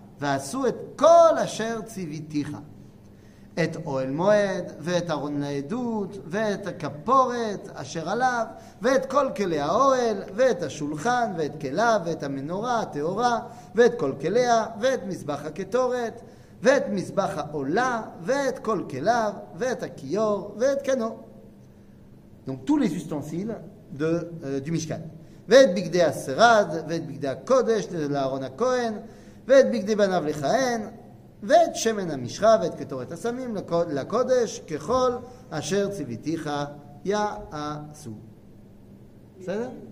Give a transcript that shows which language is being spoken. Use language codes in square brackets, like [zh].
[he] ועשו את כל אשר ציוויתיך, את אוהל מועד, ואת ארון העדות, ואת הכפורת אשר עליו, ואת כל כלי האוהל, ואת השולחן, ואת כלה, ואת המנורה, הטהורה, ואת כל כליה, ואת מזבח הקטורת, ואת מזבח העולה, ואת כל כליו, ואת הכיור, ואת קנו. [fr] Donc tous les ustensiles du משכן. [he] ואת בגדי השרד, ואת בגדי הקודש לארון הכהן, ואת בגדי בניו לכהן, ואת שמן המשחה, ואת קטורת הסמים לקודש, ככל אשר ציוויתיך יעשו. בסדר?